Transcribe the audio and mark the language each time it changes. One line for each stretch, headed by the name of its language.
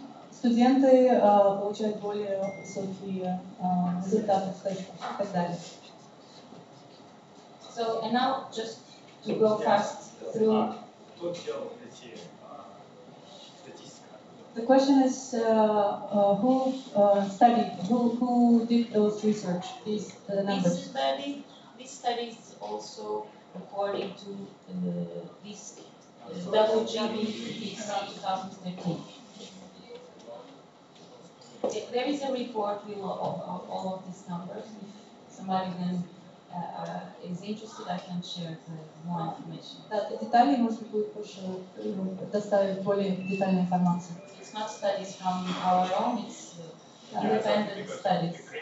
Russian: Студенты получают более высокие результаты в тестах и так далее.
English: So, and now, just to go fast through. The question is who studied, who did those research, these numbers? This study is also according to this WGBPC 2013. There is a report below of all of these numbers. If somebody then is interested, I can share the more information. The details,
Russian: может быть, позже предоставить более детальную информацию.
English: Not studies from our own, it's independent studies.